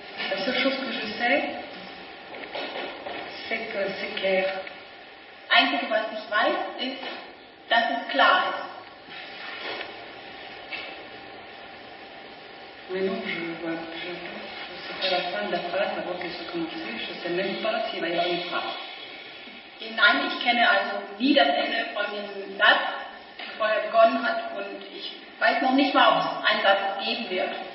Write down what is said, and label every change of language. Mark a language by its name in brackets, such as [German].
[French] La seule chose que je sais, c'est que c'est clair. [German] Einzige, was ich weiß, ist, dass es klar ist. [French] Mais non, je ne sais pas la fin de la phrase avant qu'elle se commence. Je ne sais même pas s'il va y avoir une phrase. [German] Nein, ich kenne also nie das Ende von diesem Satz, bevor begonnen hat, und ich weiß noch nicht mal, ob es einen Satz geben wird.